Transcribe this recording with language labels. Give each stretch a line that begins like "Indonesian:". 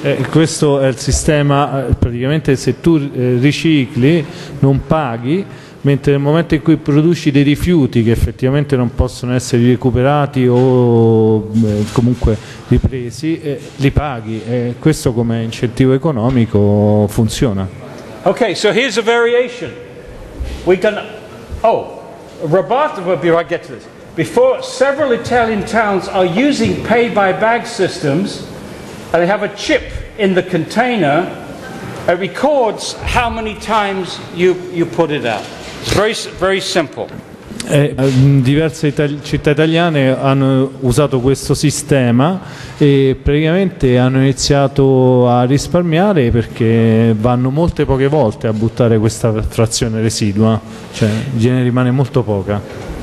Italian: Questo è il sistema, praticamente se tu ricicli non paghi, mentre nel momento in cui produci dei rifiuti che effettivamente non possono essere recuperati o comunque ripresi, li paghi, e questo come incentivo economico funziona.
English: Okay, so here's a variation. We can, oh, Roberto will be right, get to this. Before, several Italian towns are using pay-by-bag systems, and they have a chip in the container. It records how many times you put it out. It's very, very simple.
Italian: Diverse città italiane hanno usato questo sistema e praticamente hanno iniziato a risparmiare perché vanno molte poche volte a buttare questa frazione residua, cioè gliene rimane molto poca.